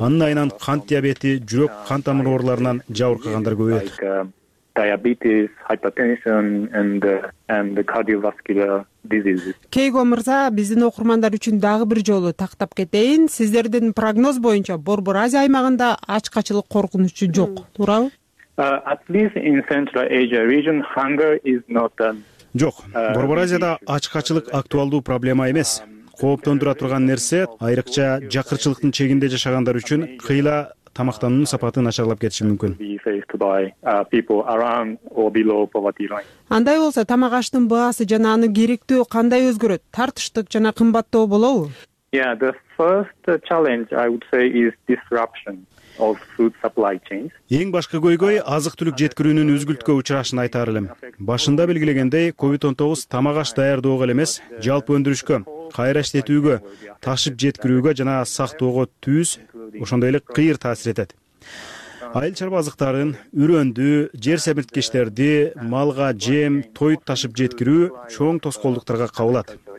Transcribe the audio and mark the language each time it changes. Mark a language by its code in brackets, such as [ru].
[ky] Анын айынан кант диабети, жүрөк кан тамыр ооруларынан жабыркагандар көбөйөт. [en] Diabetes, hypertension and the cardiovascular diseases. [ky] Кейго мырза, биздин окурмандар үчүн дагы бир жолу тактап кетейин. Сиздердин прогноз боюнча Борбор Азия аймагында ачкачылык коркунучу жок, туурабы? [en] At least in Central Asia region, hunger is not an [ky] жок, Борбор Азияда ачкачылык актуалдуу проблема эмес. Кооптондура турган нерсе, айрыкча жакырчылыктын чегинде жашагандар үчүн кыйла тамактануунун сапаты начарлап кетиши мүмкүн. Андай болсо, тамак аштын баасы жана аны керектөө кандай өзгөрөт? Тартыштык жана кымбаттоо болобу? [en] Yeah, the first challenge I would say is disruption of food supply chains. [ky] Эң башкы көйгөй азык-түлүк жеткирүүнүн үзгүлткө учурашын айтар элем. Башында белгилегендей, COVID-19 тамак аш даярдоого эле эмес, жалпы өндүрүшкө, кайра иштетүүгө, ташып жеткирүүгө жана сактоого түз, ошондой эле кыйыр таасир этет. Айыл чарба азыктарын, үрөндү, жер семирткичтерди, малга жем, тоюп ташып жеткирүү чоң тоскоолдуктарга кабылат.